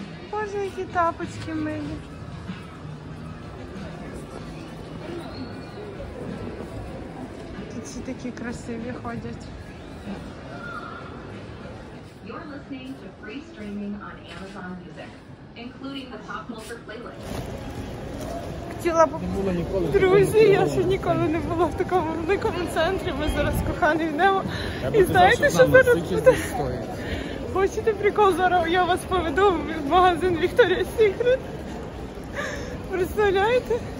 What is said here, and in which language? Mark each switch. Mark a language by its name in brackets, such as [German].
[Ukrainian] Боже, які тапочки милі. Тут всі такі красиві ходять. [English] You're listening to free streaming on Amazon Music, including the Pop Culture playlist. [Ukrainian] Хотіла б... Друзі, я ще ніколи не була в такому великому центрі. Ми зараз кохані в небо. І знаєте, що зараз буде? Хочете прикол? Зараз я вас поведу в магазин Victoria's Secret. Представляєте?